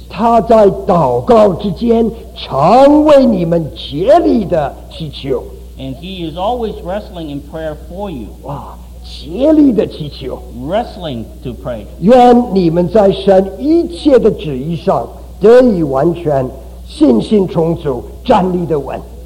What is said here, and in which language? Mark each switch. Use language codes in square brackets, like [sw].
[zh] 他在祷告之间常为你们竭力的祈求。 [en] And he is always wrestling in prayer for you. [zh] 哇竭力的祈求 [en] wrestling to pray. [zh] 愿你们在神一切的旨意上得以完全，信心充足，站立的稳。